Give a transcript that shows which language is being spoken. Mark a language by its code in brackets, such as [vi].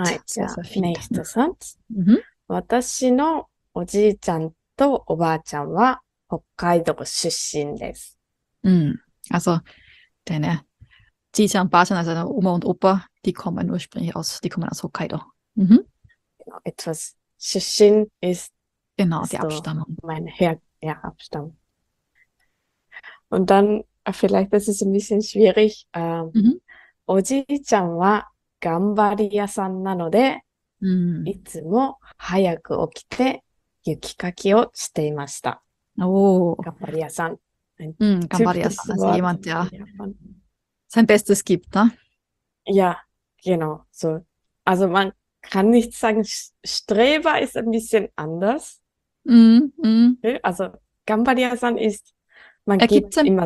[ja] はい、じゃあ、next Satz. Mm-hmm. 私のおじいちゃんとおばあちゃんは北海道出身です。 [de] Also, deine Jiji und Baachan, also deine Oma und Opa, die kommen ursprünglich aus, die kommen aus Hokkaido. Genau, etwas 出身 ist. Genau, die Abstammung. Meine Abstammung. Und dann, vielleicht das ist ein bisschen schwierig, [ja] おじいちゃんは頑張り屋さんなので、いつも早く起きて雪かきをしていました。おお、頑張り屋さん。頑張り屋さん。 [de] Also jemand, der sein Bestes gibt, ne? Ja, genau. So, also man kann nicht sagen, Streber ist ein bisschen anders. Mm, mm. Also, 頑張り屋さん ist, man gibt immer